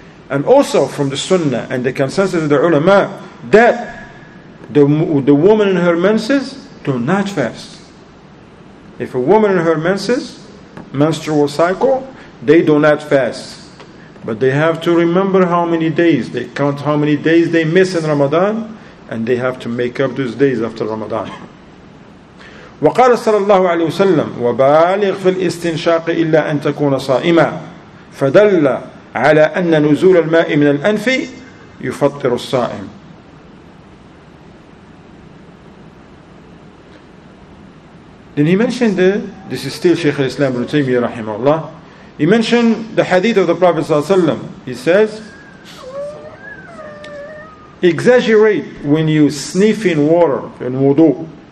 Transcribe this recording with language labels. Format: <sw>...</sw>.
<en>And also from the sunnah and the consensus of the ulama, that the woman in her menses do not fast. If a woman in her menses, menstrual cycle, they do not fast. But they have to remember how many days, they count how many days they miss in Ramadan, and they have to make up those days after Ramadan.</en> <ar>وقال صلى الله عليه وسلم وبالغ في الاستنشاق إلا أن تكون صائما فدل على أن نزول الماء من الأنف يفطر الصائم.</ar> <en>Then he mentioned this is still Shaykh al-Islam ibn Taymiyyah rahimahullah. He mentioned the hadith of the Prophet sallallahu alaihi wasallam. He says, exaggerate when you sniff in water in wudu.</en>